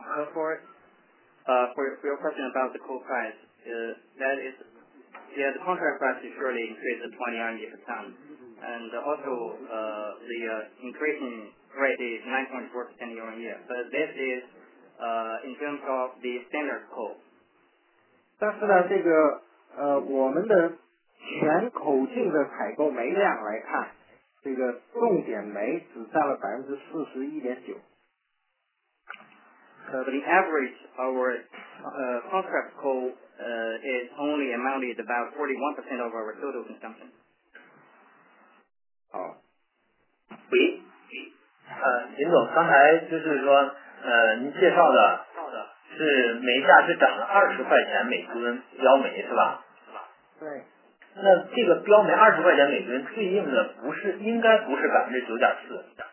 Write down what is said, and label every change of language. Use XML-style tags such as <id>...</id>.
<en>for your question about the coal price, that is, the contract price is surely increased 29 yuan per ton, and also the increasing rate is 9.4% year on year, but this is in terms of the standard coal.</en> <zh>但是呢这个我们的全口径的采购煤量来看，这个冻结煤只占了41.9%。</zh> <en>The average our contract coal is only amounted about 41% of our total consumption.</en> <zh>好。喂，林总，刚才就是说，您介绍的是煤价是涨了20块钱每吨标煤是吧？对。那这个标煤20块钱每吨对应的不是应该不是9.4%。</zh>